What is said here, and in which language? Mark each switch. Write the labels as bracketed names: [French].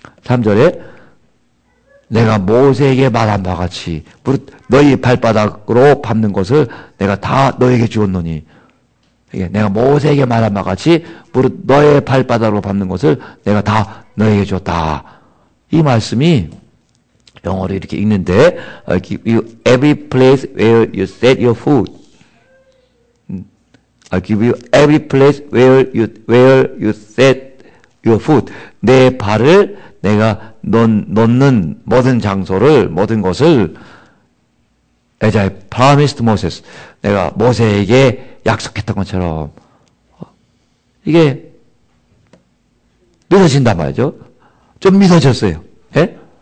[Korean] 3절에 내가 모세에게 말한 바 같이 무릇 너희 발바닥으로 밟는 것을 내가 다 너에게 주었노니. 예, 내가 모세에게 말한 바 같이 무릇 너의 발바닥으로 밟는 것을 내가 다 너에게 주었다. 이 말씀이 영어로 이렇게 읽는데 [English] I give you every place where you set your foot. I give you every place where you set your foot. [Korean] 내 발을 내가 놓는 모든 장소를 모든 것을 [English] As I promised Moses. [Korean] 내가 모세에게 약속했던 것처럼 이게 믿어진단 말이죠. 좀 믿어졌어요. 예?